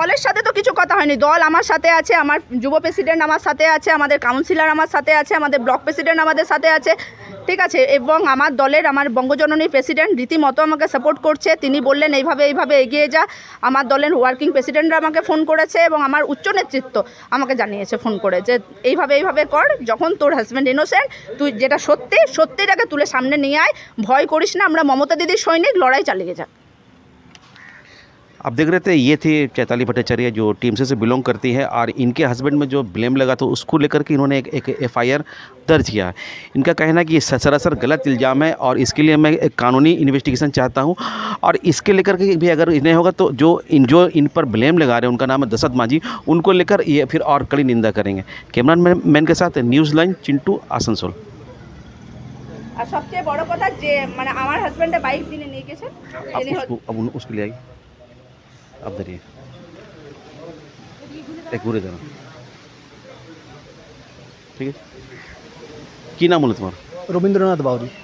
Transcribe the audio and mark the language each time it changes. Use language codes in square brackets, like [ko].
[bn] দলের সাথে তো কিছু কথা হয়নি, দল আমার সাথে আছে, আমার যুব প্রেসিডেন্ট আমার সাথে আছে, আমাদের কাউন্সিলর আমার সাথে আছে, আমাদের ব্লক প্রেসিডেন্ট আমাদের সাথে আছে, ঠিক আছে, এবং আমার দলের আমার বঙ্গজননী প্রেসিডেন্ট রীতিমতো আমাকে সাপোর্ট করছে, তিনি বললেন এইভাবে এইভাবে এগিয়ে যা, আমার দলের ওয়ার্কিং প্রেসিডেন্টরা আমাকে ফোন করেছে এবং আমার উচ্চ নেতৃত্ব আমাকে জানিয়েছে ফোন করে যে এইভাবে এইভাবে কর, যখন তোর হাজব্যান্ড ইনোসেন্ট তুই যেটা সত্যি সত্যিটাকে তুলে সামনে নিয়ে আয়, ভয় করিস না, আমরা মমতা দিদির সৈনিক, লড়াই চালিয়ে যা। [hi] आप देख रहे थे ये थे चैताली भट्टाचार्य जो TMC से बिलोंग करती है और इनके हस्बैंड में जो ब्लेम लगा था उसको लेकर के इन्होंने एक FIR दर्ज किया। इनका कहना कि ये सरासर गलत इल्ज़ाम है और इसके लिए मैं एक कानूनी इन्वेस्टिगेशन चाहता हूँ और इसके लेकर के भी अगर इन्हें होगा तो जो इन पर ब्लेम लगा रहे हैं उनका नाम है दशरथ मांझी, उनको लेकर ये फिर और कड़ी निंदा करेंगे। कैमरा मैन के साथ न्यूज़ लाइन चिंटू आसनसोल। [bn] আর সবচেয়ে বড় কথা যে মানে আমার হাজব্যান্ডে বাইক দিনে নিয়ে গেছে, আপনি উসকো আব উন উসকে লে আই আপ দেরি এক ঘুরে দেন, ঠিক আছে। কি নাম হলো তোমার? রবীন্দ্রনাথ বাউরি।